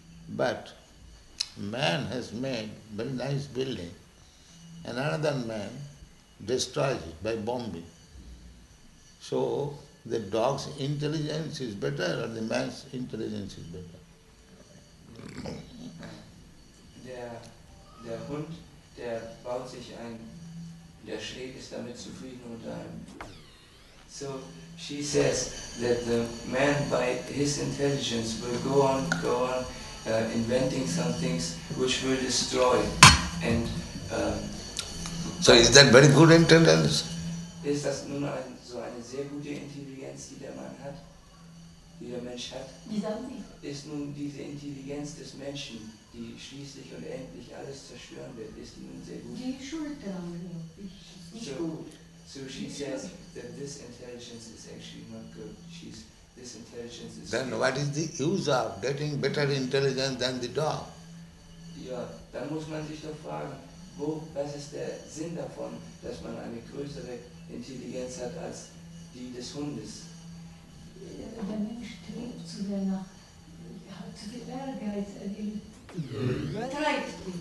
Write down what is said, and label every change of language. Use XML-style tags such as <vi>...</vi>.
<en>But man has made very nice building, and another man destroys it by bombing. So the dog's intelligence is better or the man's intelligence is better?</en> <de>Der Hund, der baut sich ein, der schläft, ist damit zufrieden unter einem.</de> <en>So she says that the man by his intelligence will go on inventing some things which will destroy and So is that very good intelligence?</en> <de>Ist das nun so eine sehr gute Intelligenz, die der Mann hat, die der Mensch hat? Wie sagen Sie? Ist nun diese Intelligenz des Menschen, die schließlich und endlich alles zerstören wird, ist die nun sehr gut? Die Schuld daran, nicht</de> <en>So she says that this intelligence is actually not good. This intelligence is. Then what is the use of getting better intelligence than the dog?</en> <de>Ja, dann muss man sich doch fragen. Was ist der Sinn davon, dass man eine größere Intelligenz hat als die des Hundes? Der Mensch strebt zu sehr nach, hat zu viel Ehrgeiz, er treibt.</de>